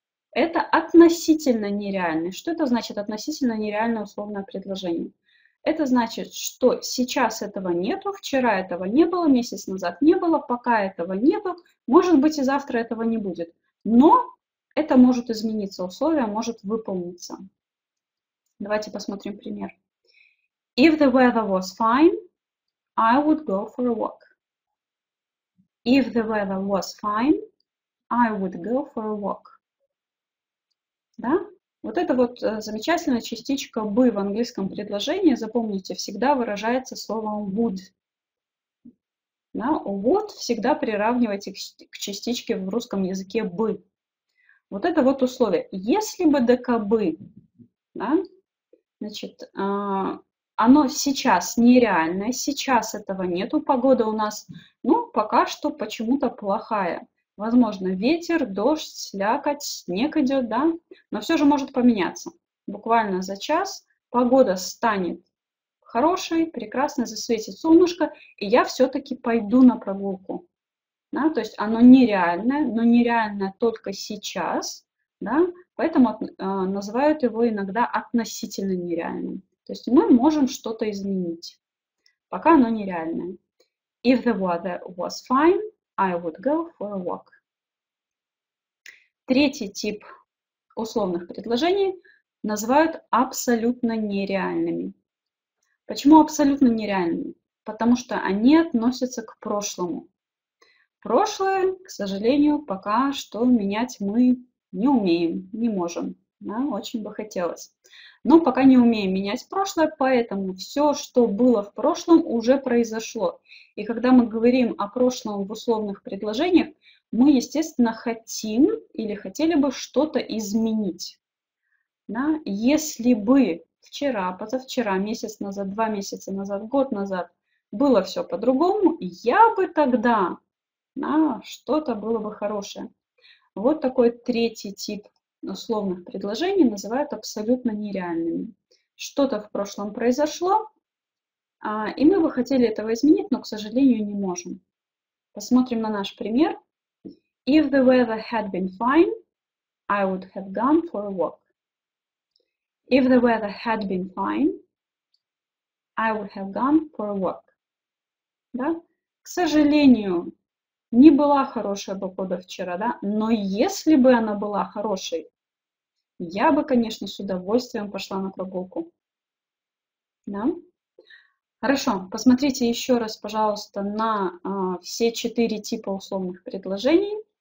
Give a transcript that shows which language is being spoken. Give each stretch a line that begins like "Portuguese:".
Russian: Это относительно нереальный. Что это значит относительно нереальное условное предложение? Это значит, что сейчас этого нету, вчера этого не было, месяц назад не было, пока этого не было, может быть и завтра этого не будет. Но это может измениться, условие может выполниться. Давайте посмотрим пример.
English: If the weather was fine, I would go for a walk. If the weather was fine, I would go for a walk.
Russian: Да? Вот эта вот замечательная частичка «бы» в английском предложении, запомните, всегда выражается словом «would». Да? «Would» всегда приравнивайте к частичке в русском языке «бы». Вот это вот условие. Если бы «дакабы», да, значит, оно сейчас нереальное, сейчас этого нету, погода у нас, ну, пока что почему-то плохая. Возможно, ветер, дождь, слякоть, снег идет, да? Но все же может поменяться. Буквально за час погода станет хорошей, прекрасной, засветит солнышко, и я все-таки пойду на прогулку. Да? То есть оно нереальное, но нереальное только сейчас, да? Поэтому называют его иногда относительно нереальным. То есть мы можем что-то изменить, пока оно нереальное.
English: If the weather was fine, I would go for a walk.
Russian: Третий тип условных предложений называют абсолютно нереальными. Почему абсолютно нереальными? Потому что они относятся к прошлому. Прошлое, к сожалению, пока что менять мы не умеем, не можем. Да? Очень бы хотелось. Но пока не умеем менять прошлое, поэтому все, что было в прошлом, уже произошло. И когда мы говорим о прошлом в условных предложениях, мы, естественно, хотим или хотели бы что-то изменить. Да? Если бы вчера, позавчера, месяц назад, 2 месяца назад, год назад было все по-другому, я бы тогда, да, что-то было бы хорошее. Вот такой третий тип условных предложений называют абсолютно нереальными. Что-то в прошлом произошло, и мы бы хотели этого изменить, но, к сожалению, не можем. Посмотрим на наш пример.
English: If the weather had been fine, I would have gone for a walk. If the weather had been fine, I would have gone for a walk.
Russian: Да? К сожалению, не была хорошая погода вчера, да? Но если бы она была хорошей, я бы, конечно, с удовольствием пошла на прогулку. Да? Хорошо, посмотрите еще раз, пожалуйста, на все четыре типа условных предложений.